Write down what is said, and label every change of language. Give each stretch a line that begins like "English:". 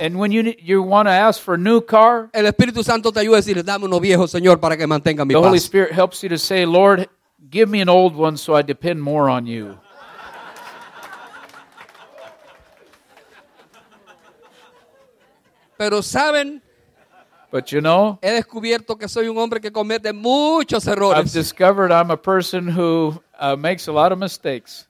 English: and when you want to ask for a new car,
Spanish: el Espíritu Santo te ayuda a decir, dame uno viejo, Señor, para que mantenga mi paz.
English: The Holy Spirit helps you to say, Lord, give me an old one so I depend more on you.
Spanish: Pero saben,
English: but you know,
Spanish: he descubierto que soy un hombre que comete muchos errores.
English: I've discovered I'm a person who makes a lot of mistakes.